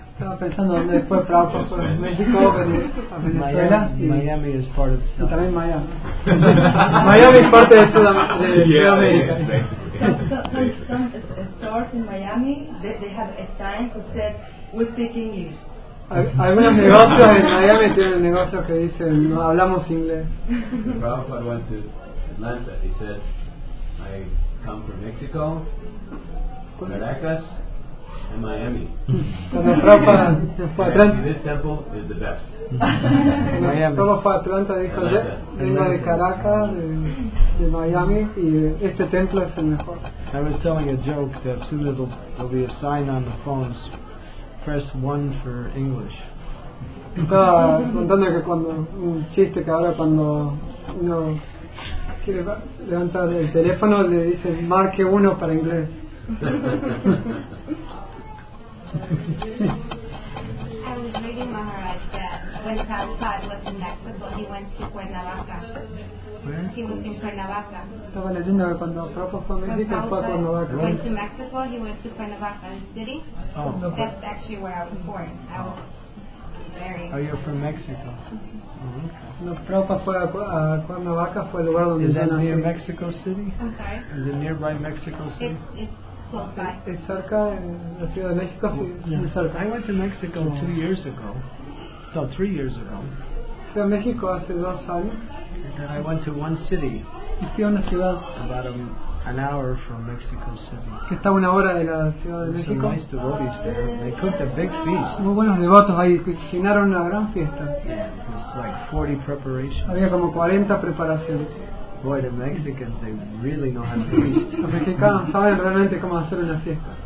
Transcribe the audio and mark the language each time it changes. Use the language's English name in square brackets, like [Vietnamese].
[Spanish] Estaba pensando dónde después Prabhupada fue a México, pero a Venezuela. Miami [English] is part of. [Spanish] Y también Miami. Miami es parte de Sudamérica. [English] Yeah, exactly. Some stores in Miami, they have a sign who said, "We speak English." [Spanish] Algunos negocios en Miami tienen negocios que dicen, "No hablamos inglés." [English] Prabhupada went to Atlanta. He said, "I come from Mexico, Caracas, and Miami." This temple is the best. Miami. [Spanish] Prabhupada Atlanta dijo, "Vengo de Caracas, de Miami, y este templo es el mejor." [English] I was telling a joke that soon there'll be a sign on the phones. Press 1 for English. [Spanish] Estaba contando que cuando un chiste que ahora cuando uno quiere levantar el teléfono le dice marque 1 para inglés. [English] I was reading Maharaj that when Prabhupada was in Mexico he went to Cuernavaca. [Spanish] Estaba leyendo que cuando Prabhupada fue a México fue a Cuernavaca. [English] Went to Mexico, he went to Cuernavaca City. Oh, that's actually where I was born. I was very. Oh, you're from Mexico. [Spanish] No, Prabhupada fue a Cuernavaca, fue el lugar donde [English] nació. Is that near Mexico City? I'm sorry. Is it nearby Mexico City? It's close by. [Spanish] Es cerca, en la ciudad de México. Sí, es cerca. [English] I went to Mexico 2 years ago. No, 3 years ago. [Spanish] Fui a México hace 2 años. [English] And I went to one city. [Spanish] Y fui a una ciudad. [English] About an hour from Mexico City. [Spanish] Que está una hora de la ciudad de México. [English] Some nice devotees there. They cooked a big feast. [Spanish] Muy buenos devotos ahí. Cocinaron una gran fiesta. [English] Yeah, it was like 40 preparations. [Spanish] Había como 40 preparaciones. [English] Boy, the Mexicans, they really know how to feast. [Spanish] Los mexicanos saben realmente cómo hacer una fiesta.